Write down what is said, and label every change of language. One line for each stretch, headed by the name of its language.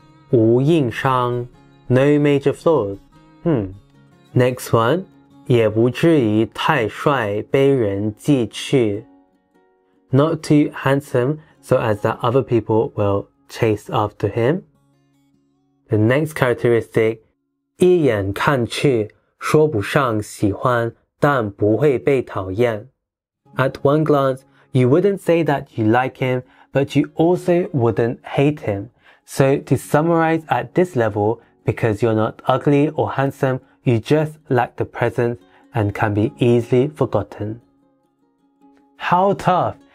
Chinese: 无硬伤
English: no major flaws. Next one,
Chinese: 也不至于太帅被人记去
English: not too handsome so as that other people will chase after him. The next characteristic,
Chinese: 一眼看去说不上喜欢但不会被讨厌
English: at one glance,You wouldn't say that you like him, but you also wouldn't hate him. So to summarize at this level, because you're not ugly or handsome, you just lack the presence and can be easily forgotten. How tough!